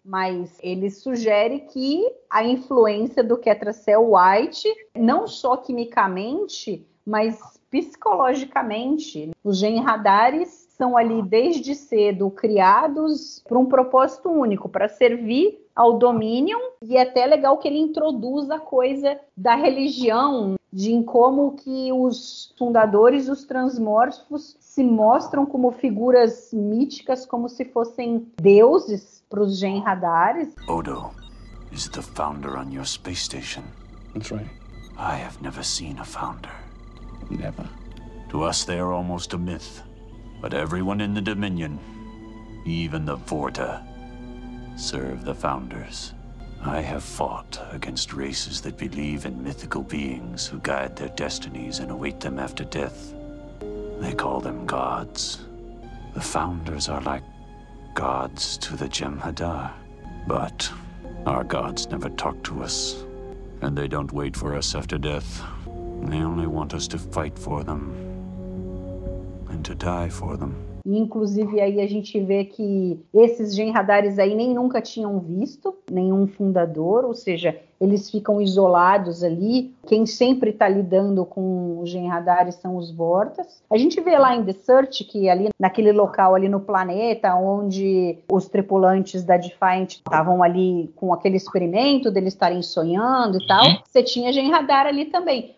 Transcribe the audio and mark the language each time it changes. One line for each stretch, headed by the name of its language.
Portuguese: Mas ele sugere que a influência do Ketra Cell White, não só quimicamente, mas psicologicamente, os Genradares são ali desde cedo criados para um propósito único, para servir ao Dominion. E é até legal que ele introduz a coisa da religião, de como que os fundadores, os transmorfos, se mostram como figuras míticas, como se fossem deuses para os Genradares.
English: Odo is the founder on your space station. That's right. I have never seen a founder. Never. To us, they are almost a myth. But everyone in the Dominion, even the Vorta, serve the Founders. I have fought against races that believe in mythical beings who guide their destinies and await them after death. They call them gods. The Founders are like gods to the Genradar. But our gods never talk to us, and they don't wait for us after death. They only want us to fight for them. To die for them.
Portuguese: Inclusive, aí a gente vê que esses Genradares aí nem nunca tinham visto nenhum fundador, ou seja, eles ficam isolados ali. Quem sempre está lidando com os Genradares são os Vortas. A gente vê lá em The Search que ali naquele local ali no planeta onde os tripulantes da Defiant estavam ali com aquele experimento deles estarem sonhando e tal, você tinha Genradar ali também.